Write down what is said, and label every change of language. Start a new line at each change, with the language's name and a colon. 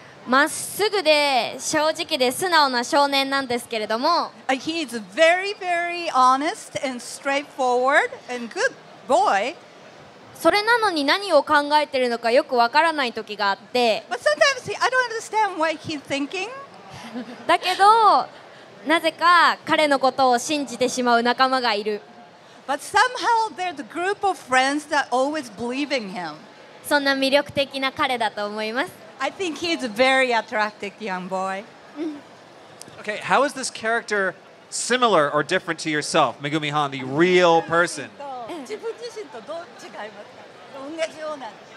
Japanese: まっすぐで正直で素直な少年なんですけれども。
English: He is very, very honest and straightforward and good boy.
Japanese: それなのに何を考えてるのかよくわからない時があって。
English: But sometimes I don't understand what he's thinking.
Japanese: だけど、なぜか彼のことを信じてしまう仲間がいる。
English: But somehow they're the group of friends that always believe in him.
Japanese: そんな魅力的な彼だと思います。
English: I think he's a very attractive young boy. Okay, how is this character similar or different to yourself, Megumi Han, the real person?
Japanese: 自分自身とどう違いますか？同じような